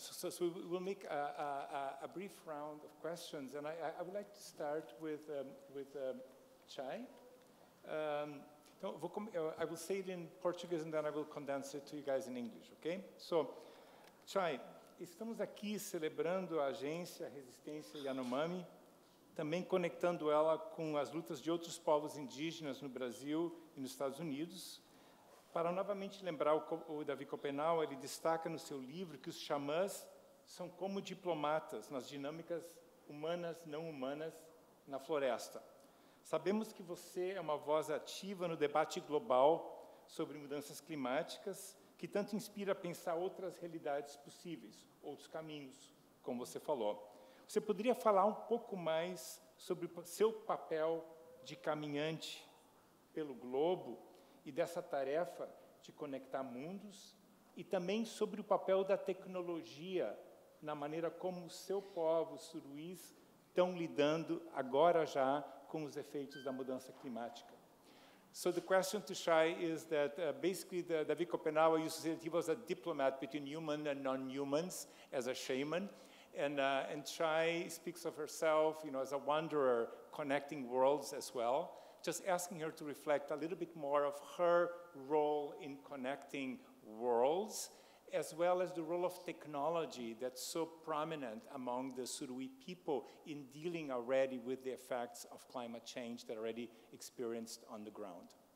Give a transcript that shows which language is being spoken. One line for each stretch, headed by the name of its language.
English: So we'll make a brief round of questions, and I would like to start with Chay. I will say it in Portuguese, and then I will condense it to you guys in English, okay?
Portuguese: So, Chay, estamos aqui celebrando a agência Resistência Yanomami, também conectando ela com as lutas de outros povos indígenas no Brasil e nos Estados Unidos. Para novamente lembrar o Davi Kopenau, ele destaca no seu livro que os xamãs são como diplomatas nas dinâmicas humanas, não humanas, na floresta. Sabemos que você é uma voz ativa no debate global sobre mudanças climáticas, que tanto inspira a pensar outras realidades possíveis, outros caminhos, como você falou. Você poderia falar um pouco mais sobre o seu papel de caminhante pelo globo e dessa tarefa de conectar mundos, e também sobre o papel da tecnologia na maneira como o seu povo, os suruís, estão lidando agora já com os efeitos da mudança climática.
English: So the question to Shai is that basically David Kopenawa used to say that he was a diplomat between human and non-humans as a shaman, and Shai speaks of herself, you know, as a wanderer connecting worlds as well. Just asking her to reflect a little bit more of her role in connecting worlds, as well as the role of technology that's so prominent among the Suruí people in dealing already with the effects of climate change that are already experienced on the ground.